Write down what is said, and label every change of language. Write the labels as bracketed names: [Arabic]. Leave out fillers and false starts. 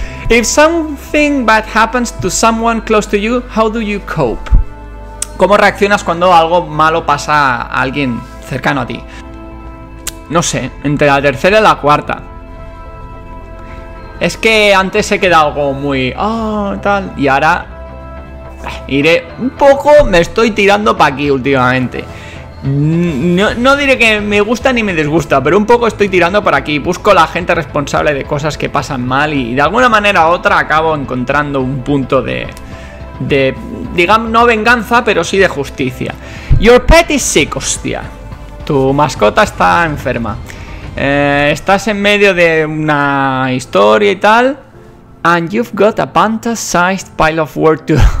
[English] If something bad happens to someone close to you, how do you cope? [Spanish] ¿Cómo reaccionas cuando algo malo pasa a alguien cercano a ti? No sé, entre la tercera y la cuarta. Es que antes he quedado algo muy... y ahora... iré un poco... Me estoy tirando para aquí últimamente. No diré que me gusta ni me disgusta, pero un poco estoy tirando para aquí. Busco la gente responsable de cosas que pasan mal y de alguna manera u otra acabo encontrando un punto de... digamos, no venganza, pero sí de justicia. [English] Your pet is sick, [Spanish] hostia. Tu mascota está enferma. Estás en medio de una historia y tal. [English] And you've got a fantasized pile of work to...